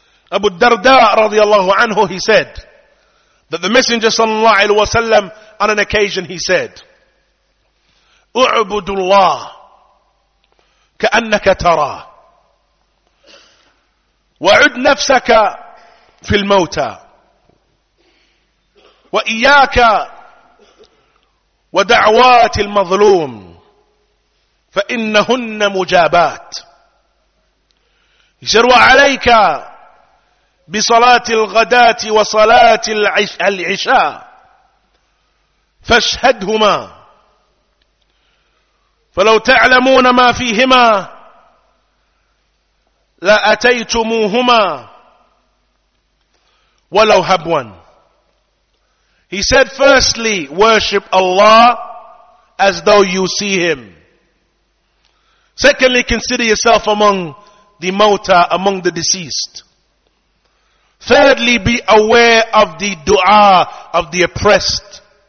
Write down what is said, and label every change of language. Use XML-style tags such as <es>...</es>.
<en>Abu Darda radiallahu anhu, he said that the Messenger sallallahu alayhi wasallam, on an occasion, he said,</en> <ar>اعبد الله كأنك ترى وعد نفسك في الموتى وإياك ودعوات المظلوم فإنهن مجابات.</ar> <en>He said,</en> <ar>وعليك بصلاة الغداة وصلاة العشاء فاشهدهما فلو تعلمون ما فيهما لأتيتموهما ولو هبوا.</ar> <en>He said, firstly, worship Allah as though you see him. Secondly, consider yourself among the mawta, among the deceased. Thirdly, be aware of the dua of the oppressed.</en>